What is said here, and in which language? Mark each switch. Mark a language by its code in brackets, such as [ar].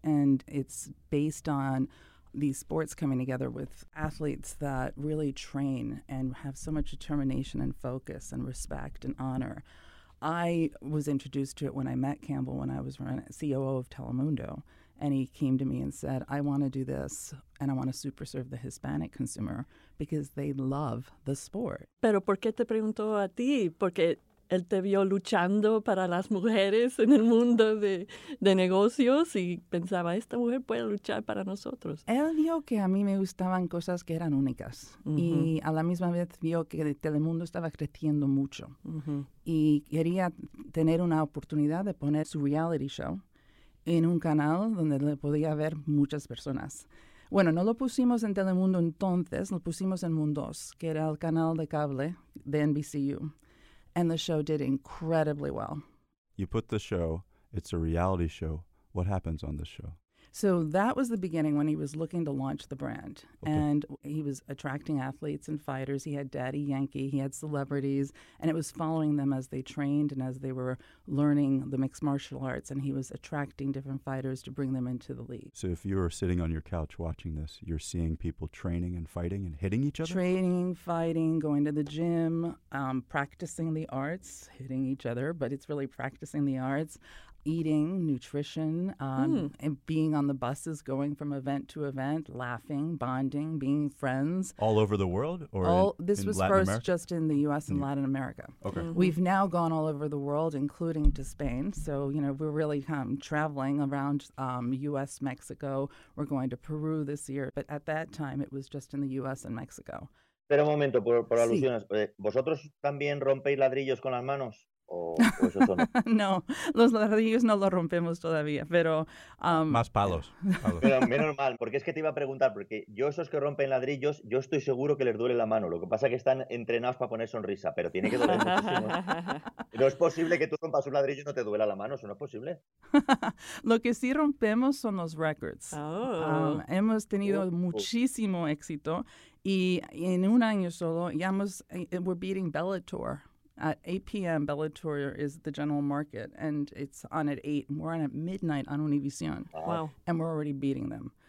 [en] And it's based on these sports coming together with athletes that really train and have so much determination and focus and respect and honor. I was introduced to it when I met Campbell when I was COO of Telemundo, and he came to me and said, I want to do this, and I want to super serve the Hispanic consumer because they love the sport. [es] Pero ¿por qué te preguntó a ti? Porque él te vio luchando para las mujeres en el mundo de negocios y pensaba, esta mujer puede luchar para nosotros. Él vio que a mí me gustaban cosas que eran únicas. Uh-huh. Y a la misma vez vio que Telemundo estaba creciendo mucho. Uh-huh. Y quería tener una oportunidad de poner su reality show en un canal donde le podía ver muchas personas. Bueno, no lo pusimos en Telemundo entonces, lo pusimos en Mundos, que era el canal de cable de NBCU. [en] And the show did incredibly well. You put the show, it's a reality show. What happens on the show? So that was the beginning when he was looking to launch the brand. Okay. And he was attracting athletes and fighters. He had Daddy Yankee, he had celebrities, and it was following them as they trained and as they were learning the mixed martial arts, and he was attracting different fighters to bring them into the league. So if you were sitting on your couch watching this, you're seeing people training and fighting and hitting each other? Training, fighting, going to the gym, practicing the arts, hitting each other, but it's really practicing the arts. Eating, nutrition, and being on the buses, going from event to event, laughing, bonding, being friends. All over the world? This was first just in the U.S. and Latin America. Okay. Mm-hmm. We've now gone all over the world, including to Spain. So, you know, we're really traveling around U.S., Mexico. We're going to Peru this year. But at that time, it was just in the U.S. and Mexico. [es] Espera un momento, por alusiones. ¿Vosotros también rompéis ladrillos con las manos? No, los ladrillos no los rompemos todavía, pero... Más palos. Pero menos mal, porque es que te iba a preguntar, porque yo esos que rompen ladrillos, yo estoy seguro que les duele la mano, lo que pasa es que están entrenados para poner sonrisa, pero tiene que doler muchísimo. ¿No es posible que tú rompas un ladrillo y no te duela la mano? ¿Eso no es posible? Lo que sí rompemos son los records. Oh. Hemos tenido muchísimo éxito, y en un año solo, [en] we're beating Bellator. At 8 p.m., Bellator is the general market, and it's on at 8. And we're on at midnight on Univision. Wow. And we're already beating them.